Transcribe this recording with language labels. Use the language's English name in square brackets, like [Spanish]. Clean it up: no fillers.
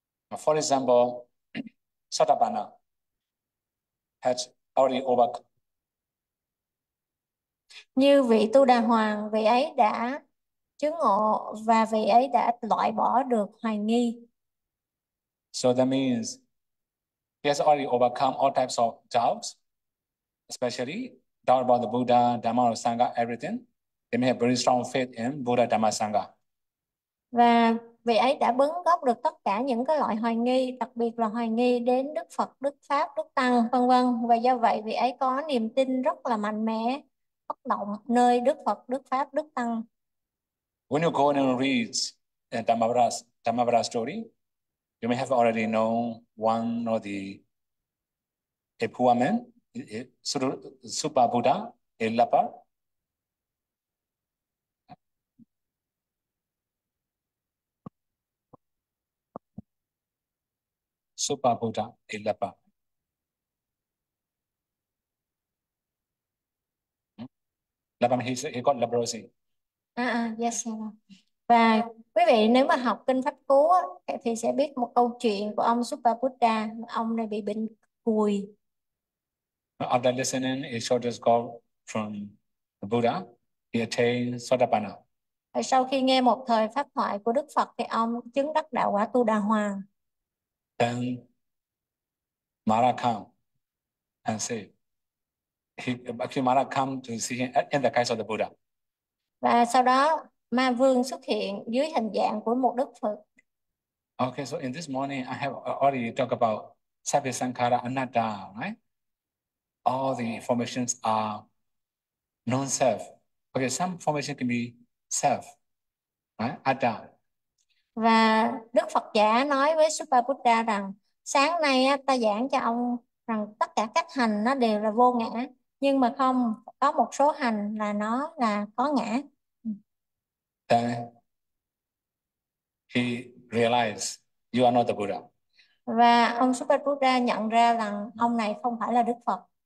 [English] For example, Sotapanna has already overcome. [Vietnamese] Như vị Tu Đà Hoàng, vị ấy đã chứng ngộ và vị ấy đã loại bỏ được hoài nghi. [English] So that means he has already overcome all types of doubts, especially doubt about the Buddha, Dhamma, or Sangha, everything. They may have very strong faith in Buddha, Dhamma, Sangha. [Vietnamese] Và vị ấy đã bứng gốc được tất cả những cái loại hoài nghi, đặc biệt là hoài nghi đến Đức Phật, Đức Pháp, Đức Tăng, vân vân. Và do vậy vị ấy có niềm tin rất là mạnh mẽ, bất động nơi Đức Phật, Đức Pháp, Đức Tăng. [English] When you go and read Dhammapada story, you may have already known one or the a poor man, a super Buddha, a leper. Super Buddha, a leper. Leper, he got leprosy. Yes, sir. [Vietnamese] Và quý vị nếu mà học kinh Pháp Cú á, thì sẽ biết một câu chuyện của ông Subhabuddha. Ông này bị bệnh cùi. [English] After listening, it should just go from Buddha, he attained [Vietnamese] Sau khi nghe một thời pháp thoại của Đức Phật thì ông chứng đắc đạo quả Tu Đà Hoàng. [English] Then Mara come and say, Mara come to see him in the guise of the Buddha. [Vietnamese] Và sau đó Ma Vương xuất hiện dưới hình dạng của một Đức Phật. [English] Okay, so in this morning I have already talked about Sabbe Sankhara Anatta, right? All the formations are non-self. Okay, some formation can be self, right? Atta. [Vietnamese] Và Đức Phật giả nói với Subhabhuddha rằng sáng nay ta giảng cho ông rằng tất cả các hành nó đều là vô ngã, nhưng mà không, có một số hành là nó là có ngã. [English] Then he realized you are not the Buddha. [Vietnamese] Và ông Subhabhuddha nhận ra rằng ông này không phải là Đức Phật.